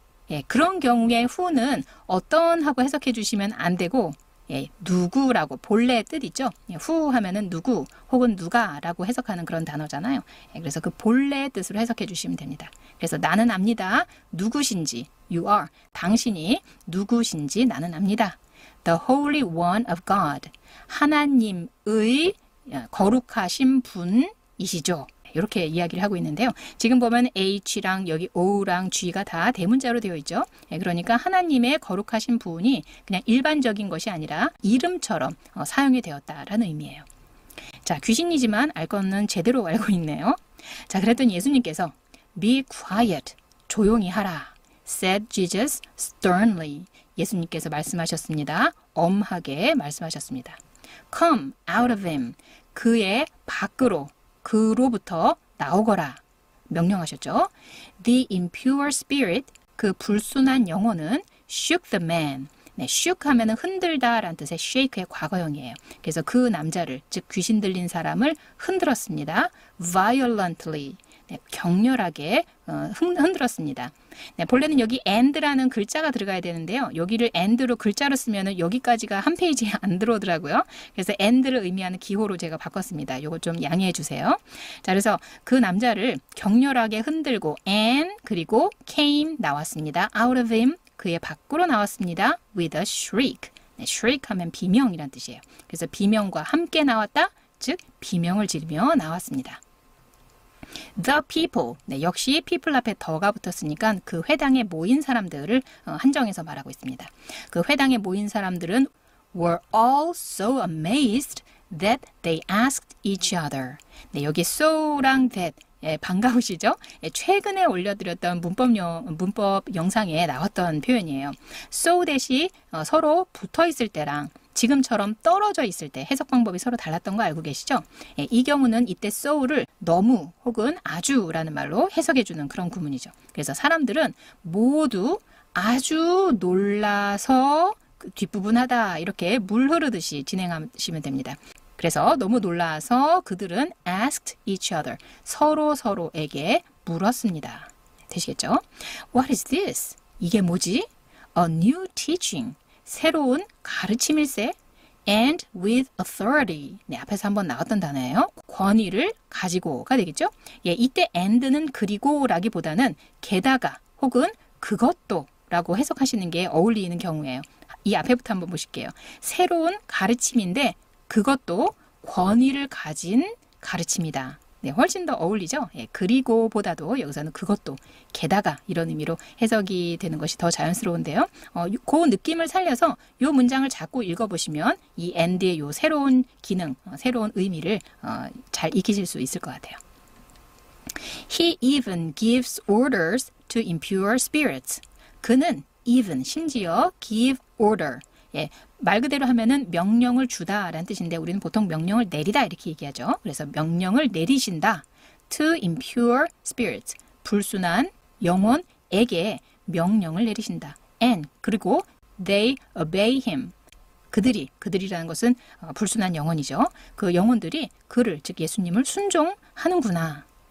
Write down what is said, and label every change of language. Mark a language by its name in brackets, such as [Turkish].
[Korean] 예, 그런 경우에 who는 어떤 하고 해석해 주시면 안 되고 예, 누구라고 본래 뜻 있죠. 예, who 하면은 누구 혹은 누가라고 해석하는 그런 단어잖아요. 예, 그래서 그 본래 뜻으로 해석해 주시면 됩니다. 그래서 나는 압니다. 누구신지 [English] you are [Korean] 당신이 누구신지 나는 압니다. [English] The Holy One of God [Korean] 하나님의 거룩하신 분이시죠. 이렇게 이야기를 하고 있는데요. 지금 보면 H랑 여기 O랑 G가 다 대문자로 되어 있죠. 그러니까 하나님의 거룩하신 분이 그냥 일반적인 것이 아니라 이름처럼 사용이 되었다라는 의미예요. 자, 귀신이지만 알 거는 제대로 알고 있네요. 자, 그랬더니 예수님께서 [English] Be quiet, [Korean] 조용히 하라, [English] said Jesus sternly. [Korean] 예수님께서 말씀하셨습니다. 엄하게 말씀하셨습니다. [English] Come out of him, [Korean] 그의 밖으로 그로부터 나오거라 명령하셨죠. [English] The impure spirit, [Korean] 그 불순한 영혼은 [English] shook the man. [Korean] 네, shook 하면은 흔들다 라는 뜻의 shake의 과거형이에요. 그래서 그 남자를, 즉 귀신 들린 사람을 흔들었습니다. [English] Violently, [Korean] 네, 격렬하게 흔들었습니다. 네, 본래는 여기 and라는 글자가 들어가야 되는데요. 여기를 and로 글자로 쓰면은 여기까지가 한 페이지에 안 들어오더라고요. 그래서 and를 의미하는 기호로 제가 바꿨습니다. 요거 좀 양해해 주세요. 자, 그래서 그 남자를 격렬하게 흔들고 and 그리고 came 나왔습니다. [English] Out of him, [Korean] 그의 밖으로 나왔습니다. [English] With a shriek. [Korean] 네, shriek 하면 비명이란 뜻이에요. 그래서 비명과 함께 나왔다. 즉 비명을 지르며 나왔습니다. [English] The people. [Korean] 네, 역시 people 앞에 더가 붙었으니까 그 회당에 모인 사람들을 한정해서 말하고 있습니다. 그 회당에 모인 사람들은 [English] were all so amazed that they asked each other. [Korean] 네, 여기 so랑 that. 예, 반가우시죠? 예, 최근에 올려드렸던 문법 영상에 나왔던 표현이에요. So 대시 서로 붙어 있을 때랑 지금처럼 떨어져 있을 때 해석 방법이 서로 달랐던 거 알고 계시죠? 예, 이 경우는 이때 so를 너무 혹은 아주라는 말로 해석해주는 그런 구문이죠. 그래서 사람들은 모두 아주 놀라서 그 뒷부분하다 이렇게 물 흐르듯이 진행하시면 됩니다. 그래서 너무 놀라서 그들은 [English] asked each other, [Korean] 서로 서로에게 물었습니다. 되시겠죠? [English] What is this? [Korean] 이게 뭐지? [English] A new teaching, [Korean] 새로운 가르침일세? [English] And with authority, [Korean] 네, 앞에서 한번 나왔던 단어예요. 권위를 가지고가 되겠죠? 예, 이때 and는 그리고라기보다는 게다가 혹은 그것도 라고 해석하시는 게 어울리는 경우예요. 이 앞에부터 한번 보실게요. 새로운 가르침인데 그것도 권위를 가진 가르침이다. 네, 훨씬 더 어울리죠? 예, 그리고 보다도 여기서는 그것도 게다가 이런 의미로 해석이 되는 것이 더 자연스러운데요. 그 느낌을 살려서 요 문장을 자꾸 읽어보시면 이 and의 요 새로운 기능, 새로운 의미를 잘 익히실 수 있을 것 같아요. [English] He even gives orders to impure spirits. [Korean] 그는 [English] even, [Korean] 심지어 [English] give order. [Korean] 예, 말 그대로 하면은 명령을 주다라는 뜻인데 우리는 보통 명령을 내리다 이렇게 얘기하죠. 그래서 명령을 내리신다. [English] To impure spirits, [Korean] 불순한 영혼에게 명령을 내리신다. [English] And 그리고 they obey him. [Korean] 그들이라는 것은 불순한 영혼이죠. 그 영혼들이 그를, 즉 예수님을 순종하는구나.